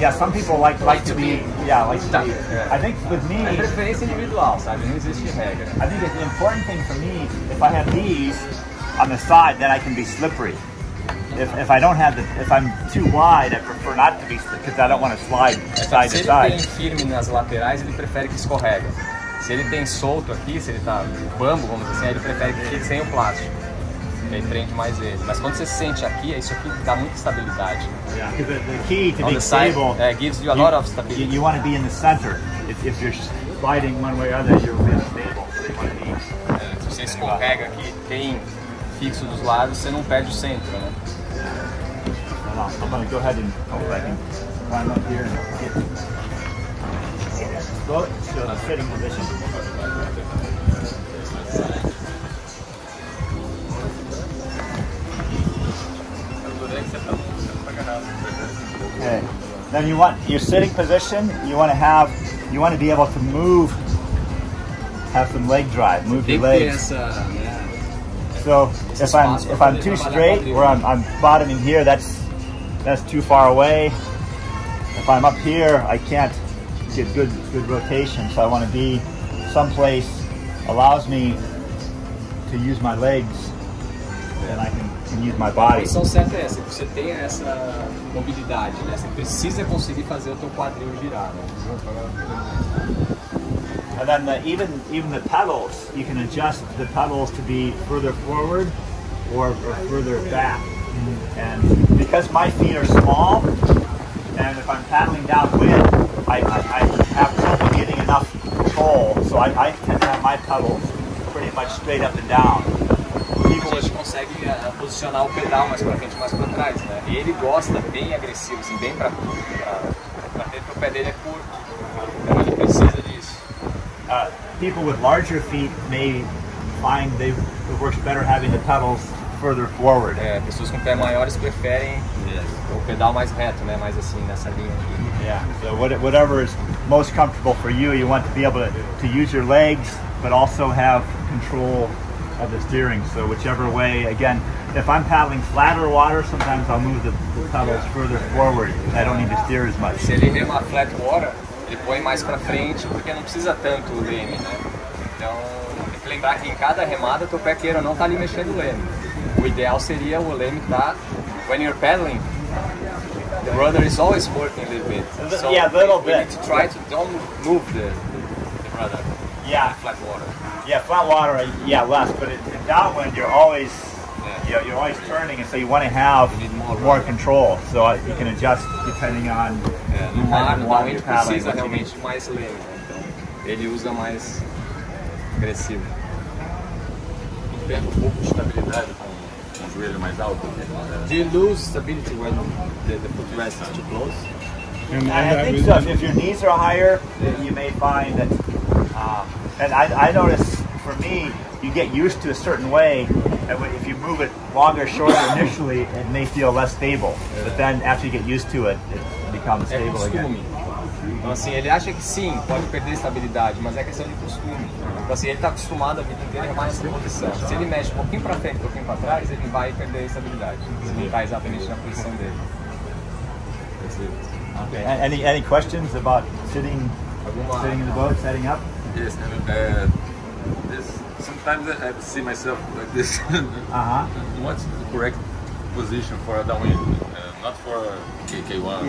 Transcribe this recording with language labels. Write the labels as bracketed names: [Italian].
[English] Yeah, some people like to be, yeah, like stuck. To be. Yeah. I think with me... I prefer it's individual, so I mean, it's just your hair. I think the important thing for me, if I have these on the side, then I can be slippery. If I don't have the, if I'm too wide, I prefer not to be, because I don't want to slide side to side. [Portuguese] Se ele tem firme nas laterais, ele prefere que escorregue. Se ele tem solto aqui, se ele tá bambo, vamos dizer assim, ele prefere que fique sem o plástico. Ele prende mais ele. Mas quando você se sente aqui, isso aqui dá muita estabilidade. [English] Yeah, the key to be stable, it gives you a lot of stability. You want to be in the center. If you're sliding one way or other, you're really stable. [Portuguese] Se você escorrega aqui, tem fixo dos lados, você não perde o centro, né? [English] I'm gonna go ahead and hope I can climb up here and get the boat to a sitting position. Okay. Then you want your sitting position, you wanna be able to move, have some leg drive, move your legs. So if I'm too straight where I'm bottoming here, that's too far away. If I'm up here, I can't get good rotation. So I want to be someplace allows me to use my legs, and I can use my body. [Portuguese] A questão certa é essa, que você tem essa mobilidade, né? Você precisa conseguir fazer o teu quadril girar. [English] And then even the pedals, you can adjust the pedals to be further forward or further back. And because my feet are small, and if I'm paddling downwind, I have trouble getting enough control. So I tend to have my pedals pretty much straight up and down. [Portuguese] A gente consegue posicionar o pedal mais para frente, mais para trás, né? E ele gosta bem agressivo, assim, bem para dentro, porque o pé dele é curto. Então ele precisa disso. [English] People with larger feet may find they it works better having the pedals further forward. [Portuguese] É, pessoas com pé maiores preferem o pedal mais reto, né? Mais assim nessa linha aqui. [English] Yeah. So whatever is most comfortable for you, you want to be able to use your legs, but also have control of the steering. So whichever way, again, if I'm paddling flatter water, sometimes I'll move the pedals further forward. I don't need to steer as much. [Portuguese] Se ele rema flat water, ele põe mais para frente porque não precisa tanto o leme, né? Então, tem que lembrar que em cada remada, teu pé queira não tá ali mexendo o leme. O ideal seria o leme tá. [English] When you're paddling, the rudder is always working a little bit. So yeah, a little bit. You need to try to don't move the rudder. Yeah. In flat water. Yeah, flat water, yeah, less, but in downwind, you're always, you know, you're always turning, and so you want to have more control, so you can adjust depending on the kind of water you're paddling. [Portuguese] Precisa realmente mais leme, ele usa mais agressivo. Ele perde um pouco de estabilidade com o joelho mais alto. [English] Do you lose stability when the foot rest is too close? And I think so. If your knees are higher, you may find that... And I notice, for me, you get used to a certain way, and if you move it longer, shorter initially, it may feel less stable. Yeah. But then, after you get used to it, it becomes stable again. [Portuguese] É costume. Então, assim, ele acha que sim, pode perder estabilidade, mas é questão de costume. Então, assim, ele está acostumado a vida inteira a remar nessa posição. Se ele mexe um pouquinho para frente, um pouquinho para trás, ele vai perder estabilidade. Se ele está exatamente na posição dele. [English] Okay. Any questions about sitting in the boat, setting up? Yes, sometimes I see myself like this. Uh-huh. What's the correct position for a downwind? Not for a KK1.